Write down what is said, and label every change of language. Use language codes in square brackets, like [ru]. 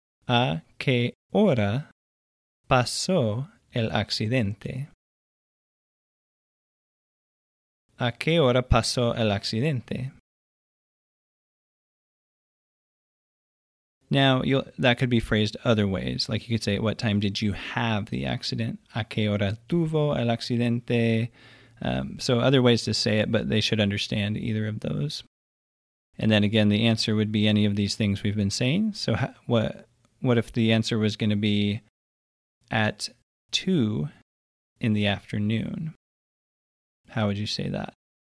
[es] ¿A qué hora pasó el accidente? ¿A qué hora pasó el accidente? [en] Now, that could be phrased other ways. Like you could say, what time did you have the accident? [es] ¿A qué hora tuvo el accidente? [en] So other ways to say it, but they should understand either of those. And then again, the answer would be any of these things we've been saying. So what if the answer was going to be at 2 in the afternoon? How would you say that?